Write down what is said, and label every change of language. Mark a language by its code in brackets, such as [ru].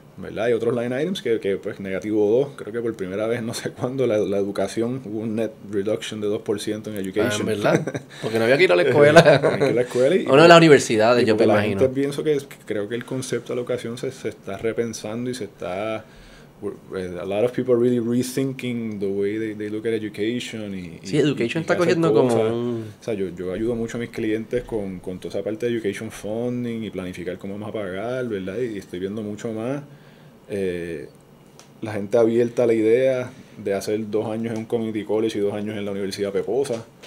[es] ¿Verdad? Hay otros line items que pues, -2%. Creo que por primera vez, no sé cuándo, la educación hubo un net reduction de 2% en education. Ah, ¿verdad? Porque no había que ir a la escuela. O no a las universidades, yo me imagino. La gente, pienso que creo que el concepto de educación se está repensando y se está... [en] A lot of people really rethinking the way they look at education. [es] Sí, education está cogiendo cosas. O sea, yo ayudo mucho a mis clientes con toda esa parte de education funding y planificar cómo vamos a pagar, ¿verdad? Y estoy viendo mucho más la gente abierta a la idea de hacer 2 años en un community college y 2 años en la universidad peposa.